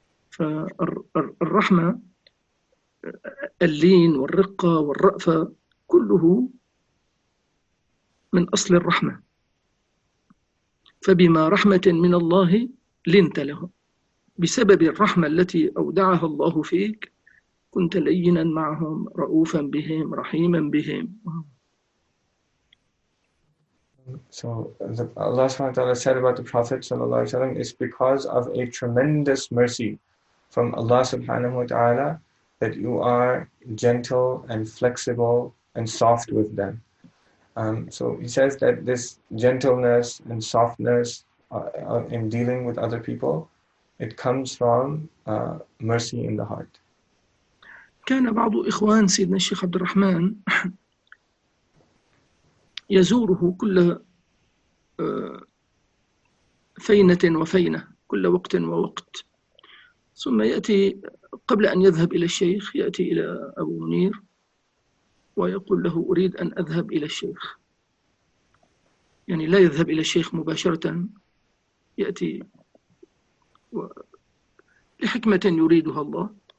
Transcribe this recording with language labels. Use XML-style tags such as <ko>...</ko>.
<ar>فالرحمة اللين والرقة والرأفة كله من أصل الرحمة، فبما رحمة من الله لنت لهم، بسبب الرحمة التي أودعها الله فيك كنت لينا معهم رؤوفا بهم رحيما بهم.</ar> <en>So Allah subhanahu wa ta'ala said about the Prophet sallallahu alaihi wasallam, it's because of a tremendous mercy from Allah subhanahu wa ta'ala that you are gentle and flexible and soft with them. So he says that this gentleness and softness in dealing with other people, it comes from mercy in the heart.</en> <ar>كان بعض إخوان سيدنا الشيخ عبد الرحمن يزوره كل فينة وفينة، كل وقت ووقت، ثم يأتي قبل أن يذهب إلى الشيخ، يأتي إلى أبو منير ويقول له أريد أن أذهب إلى الشيخ، يعني لا يذهب إلى الشيخ مباشرة، يأتي لحكمة يريدها الله.</ar>